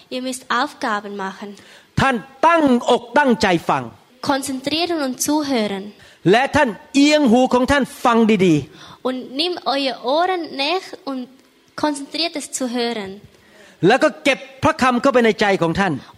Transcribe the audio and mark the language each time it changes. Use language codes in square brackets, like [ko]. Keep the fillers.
[de] Ihr müsst Aufgaben machen. [th] ท่านตั้งอกตั้งใจฟัง [de] Konzentrieren und zuhören. [th] และท่านเอียงหูของท่านฟังดี [de] ๆ Und nimm eure Ohren nach und konzentriert es zu hören. [th] แล้วก็เก็บพระคำเข้าไปในใจของท่าน